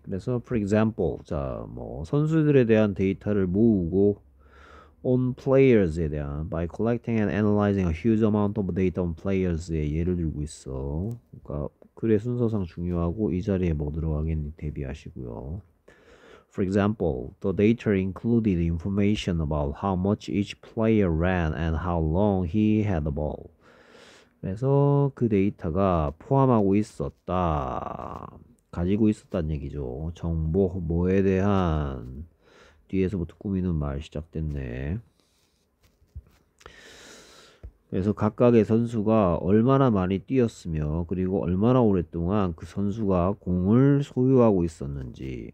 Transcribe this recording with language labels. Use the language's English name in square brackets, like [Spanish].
[Korean] 그래서 [English] for example, 자, 뭐 선수들에 대한 데이터를 모으고 On players에 대한 By collecting and analyzing a huge amount of data on players에 [Korean] 예를 들고 있어. 그러니까 글의 순서상 중요하고 이 자리에 뭐 들어가겠니 대비하시고요. [English] For example, the data included information about how much each player ran and how long he had the ball. [Korean] 그래서 그 데이터가 포함하고 있었다. 가지고 있었단 얘기죠. 정보 뭐에 대한 뒤에서부터 꾸미는 말 시작됐네. 그래서 각각의 선수가 얼마나 많이 뛰었으며, 그리고 얼마나 오랫동안 그 선수가 공을 소유하고 있었는지.